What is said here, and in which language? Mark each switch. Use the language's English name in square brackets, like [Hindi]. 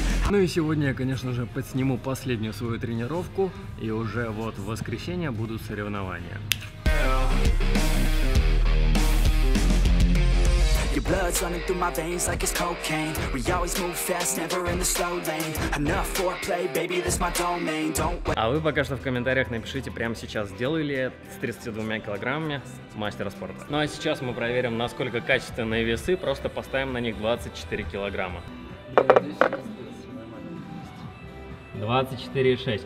[Russian] Ну и сегодня я, конечно же, подсниму последнюю свою тренировку, и уже вот в воскресенье будут соревнования. [English] Your blood's running through my veins like it's cocaine. We always move fast, never in the slow lane. Enough foreplay, baby, this my domain. Don't wait. [Russian] А вы пока что в комментариях напишите, прямо сейчас сделаю ли я с 32 килограммами мастера спорта. Ну а сейчас мы проверим, насколько качественные весы, просто поставим на них 24 килограмма. 24,6.